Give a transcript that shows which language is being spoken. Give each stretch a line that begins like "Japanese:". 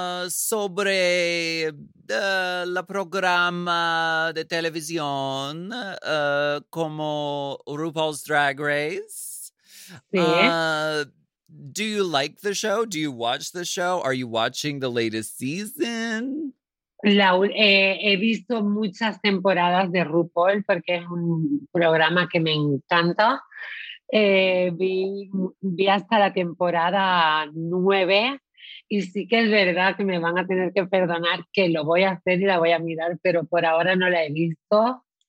Spanish: Sobre la programa de televisión como RuPaul's Drag Race. Sí.
English: Do you like the show? Do you watch the show? Are you watching the latest season?
Spanish: He visto muchas temporadas de RuPaul porque es un programa que me encanta. Vi hasta la temporada 9 y sí que es verdad que me van a tener que perdonar, que lo voy a hacer y la voy a mirar, pero por ahora no la he visto.